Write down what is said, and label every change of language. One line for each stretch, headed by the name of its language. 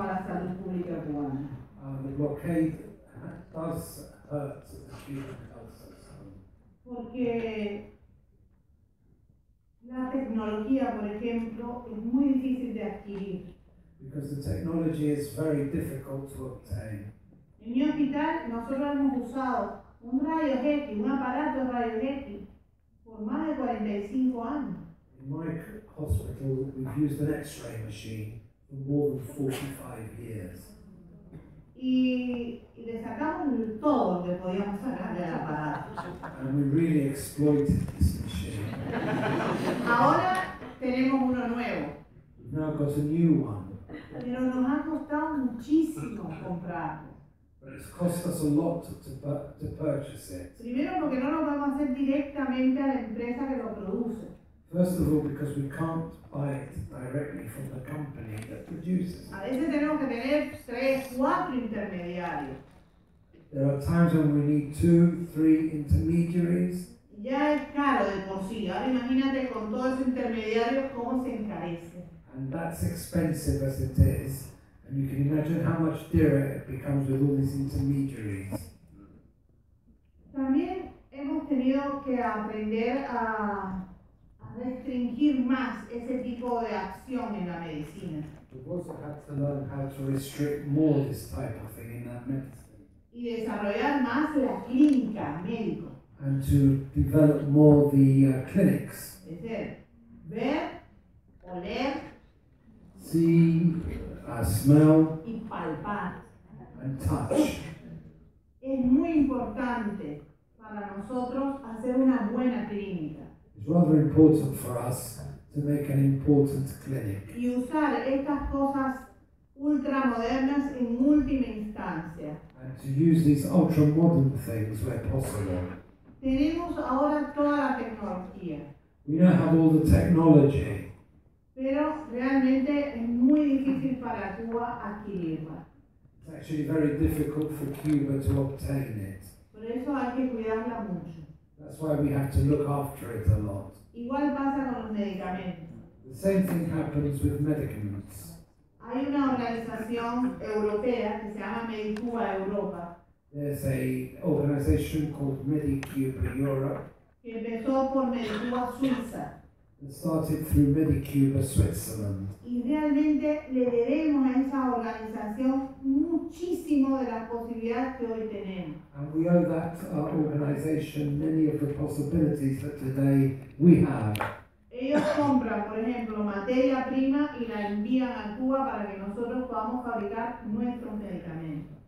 English: The blockade does hurt the Cuban health system.
Spanish: Porque la tecnología, por ejemplo, es muy difícil de adquirir.
English: Because the technology is very difficult to obtain.
Spanish: En mi hospital, nosotros hemos usado un rayo X, un aparato rayo X, por más de 45 años.
English: In my hospital, we've used an X-ray machine for more than 45 years.
Spanish: Y le sacamos todo lo que podíamos sacar del aparato.
English: And we really exploited this machine.
Spanish: Ahora tenemos uno nuevo.
English: We've now got a new one.
Spanish: Pero nos ha costado muchísimo comprarlo.
English: But it's cost us a lot to purchase it.
Spanish: Primero porque no lo vamos a hacer directamente a la empresa que lo produce.
English: First of all, because we can't buy it directly from the company that produces it.
Spanish: A veces tenemos que tener tres, cuatro intermediarios.
English: There are times when we need two, three intermediaries.
Spanish: Ya es caro de por sí. Ahora imagínate con todos esos intermediarios cómo se encarece.
English: And that's expensive as it is. And you can imagine how much dearer it becomes with all these intermediaries.
Spanish: También hemos tenido que aprender a restringir más ese tipo de acción en la medicina.
English: We've also had to learn how to restrict more this type of thing in that medicine.
Spanish: Y desarrollar más la clínica médico.
English: And to develop more the clinics.
Spanish: Es decir, ver, oler,
English: see, smell,
Spanish: y palpar,
English: and touch.
Spanish: Es muy importante para nosotros hacer una buena clínica.
English: It's rather important for us to make an important clinic.
Spanish: Y usar estas cosas ultramodernas en última instancia.
English: And to use these ultra-modern things where possible.
Spanish: Tenemos ahora toda la tecnología.
English: We now have all the technology.
Spanish: Pero realmente es muy difícil para Cuba adquirirla.
English: It's actually very difficult for Cuba to obtain it.
Spanish: Por eso hay que cuidarla mucho.
English: That's why we have to look after it a lot.
Spanish: Igual pasa con los medicamentos.
English: The same thing happens with medicaments.
Spanish: Hay una organización europea que se llama Medicuba Europa.
English: There's a organization called Medicuba Europe.
Spanish: Que empezó por Medicuba Suiza.
English: It started through Medicuba Switzerland.
Spanish: Y realmente le debemos a esa organización muchísimo de las posibilidades que hoy tenemos.
English: And we owe that organization many of the possibilities that today we have.
Spanish: Ellos compran, por ejemplo, materia prima y la envían a Cuba para que nosotros podamos fabricar nuestros medicamentos.